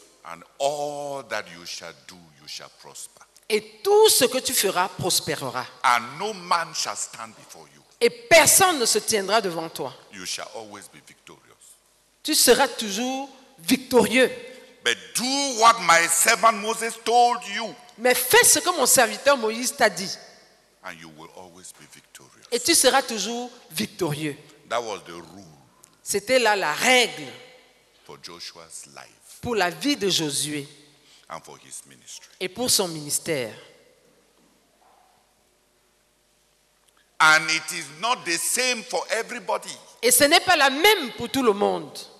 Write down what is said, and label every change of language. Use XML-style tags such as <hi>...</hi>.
<en>And all that you shall do, you shall prosper.</en> <fr>Et tout ce que tu feras prospérera.</fr> <en>And no man shall stand before you.</en> <fr>Et personne ne se tiendra devant toi.</fr> <en>You shall always be victorious.</en> <fr>Tu seras toujours victorieux.</fr> <en>But do what my servant Moses told you.</en> <fr>Mais fais ce que mon serviteur Moïse t'a dit.</fr> <en>And you will always be victorious.</en> <fr>Et tu seras toujours victorieux.</fr> <en>That was the rule.</en> <fr>C'était là la règle.</fr> <en>For Joshua's life.</en> <fr>Pour la vie de Josué.</fr> <en>And for his ministry.</en> <fr>Et pour son ministère.</fr> <en>And it is not the same for everybody.</en> <fr>Et ce n'est pas la même pour tout le monde.</fr>